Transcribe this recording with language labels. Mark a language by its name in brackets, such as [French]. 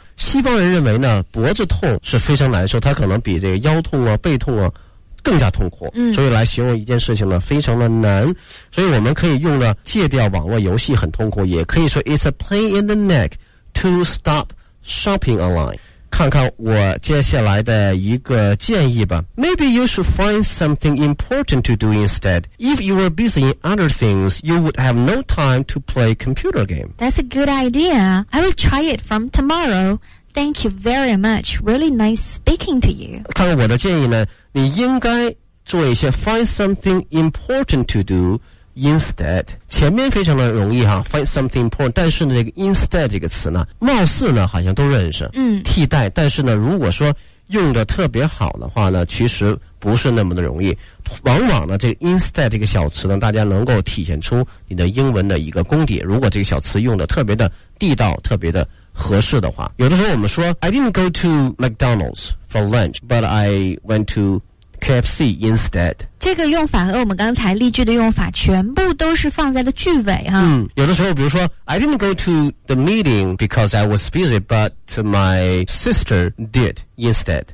[Chinese] 西方人认为呢，脖子痛是非常难受，它可能比这个腰痛啊、背痛啊更加痛苦。嗯，所以来形容一件事情呢，非常的难。所以我们可以用呢，戒掉网络游戏很痛苦，也可以说 [English] It's a pain in the neck to stop shopping online。 [Chinese] 看看我接下来的一个建议吧。 [English] Maybe you should find something important to do instead. If you were busy in other things, you would have no time to play computer game. That's a good idea. I will try it from tomorrow. Thank you very much. Really nice speaking to you. [Chinese] 看看我的建议呢，你应该做一些 [English] find something important to do instead. [Chinese] 前面非常的容易哈 [English] find something important, [Chinese] 但是呢这个 instead 这个词呢貌似呢好像都认识嗯替代，但是呢如果说用的特别好的话呢其实不是那么的容易。往往呢这个 instead 这个小词呢大家能够体现出你的英文的一个功底，如果这个小词用的特别的地道，特别的合适的话。有的时候我们说 [English] I didn't go to McDonald's for lunch, but I went to KFC instead。 [Chinese] 这个用法和我们刚才例句的用法全部都是放在了句尾哈。嗯，有的时候比如说 [English] I didn't go to the meeting because I was busy, but my sister did instead.